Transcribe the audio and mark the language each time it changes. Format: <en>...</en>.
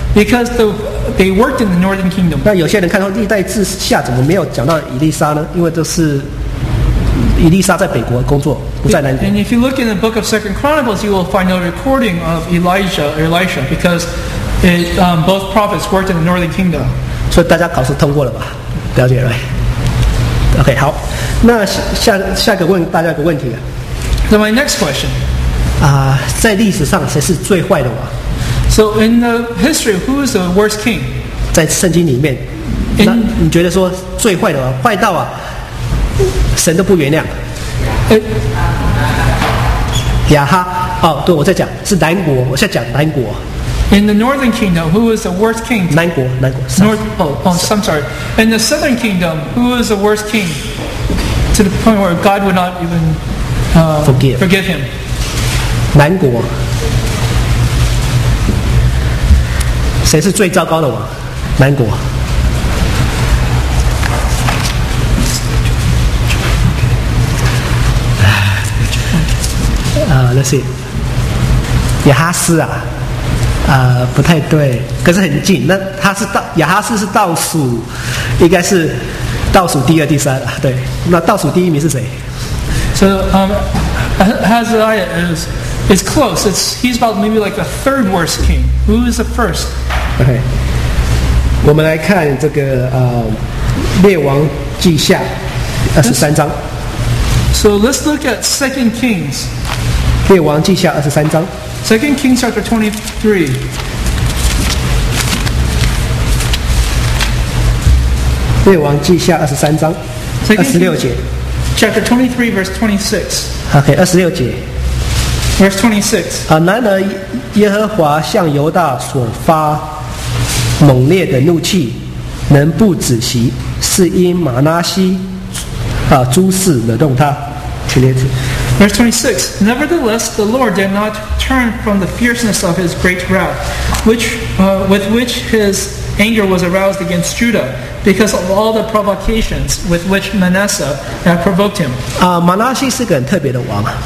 <en>Because they worked in the Northern Kingdom.</en> <zh>那有些人看到历代志下怎么没有讲到以利沙呢？因为这是以利沙在北国工作，不在南国。</zh> <en>And if you look in the Book of Second Chronicles, you will find no recording of Elijah or Elisha because both prophets worked in the Northern Kingdom.</en> <zh>所以大家考试通过了吧？了解了。OK， 好，那下一个问大家一个问题。</zh> <en>So my next question，</en> <zh>啊，在历史上谁是最坏的王</zh> <en>？So in the history, who is the worst king？</en> <zh>在圣经里面，那你觉得说最坏的王，坏到啊，神都不原谅？亚哈，哦，对，我在讲是南国，我在讲南国。</zh> <en>In the Northern Kingdom, who is the worst king?</en> <zh>南国，南国。</zh> <en>North. I'm sorry. In the Southern Kingdom, who is the worst king? To the point where God would not even forgive him.</en> <zh>南国。谁是最糟糕的王？南国。</zh> <en>let's see.</en> <zh>亚哈斯啊。不太对，可是很近。那他是亚哈斯是倒数，应该是倒数第二、第三了。对，那倒数第一名是谁</zh> <en>？So Ahaziah is close. He's about maybe like the third worst king. Who is the first?</en> <zh>Okay， 我们来看这个列王记下23章。</zh> <en>So let's look at Second Kings。</en> <zh>列王记下23章。</zh> <en>Second Kings chapter 23.</en> <zh>列王记下23章，26节。</zh> <en>Chapter 23, verse 26.</en> <zh>Okay, 26节。</zh> <en>Verse 26.</en> <zh>然而耶和华向犹大所发猛烈的怒气，能不止息，是因玛拿西诸事惹动他。</zh> <en>Verse 26. Nevertheless, the Lord did not turn from the fierceness of his great wrath, with which his anger was aroused against Judah, because of all the provocations with which Manasseh had provoked him.</en> <zh>Manasseh 是个很特别的王。</zh>